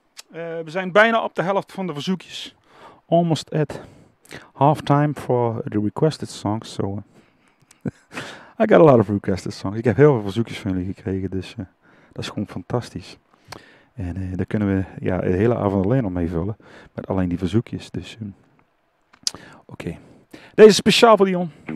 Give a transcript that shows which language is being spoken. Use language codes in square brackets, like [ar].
[nl] We zijn bijna op de helft van de verzoekjes. [en] Almost at half time for the requested songs. So, I got a lot of requested songs. [nl] Ik heb heel veel verzoekjes van jullie gekregen. Dus dat is gewoon fantastisch. En daar kunnen we ja, de hele avond alleen al mee vullen. Met alleen die verzoekjes. Dus, Oké. Deze is speciaal voor Dion.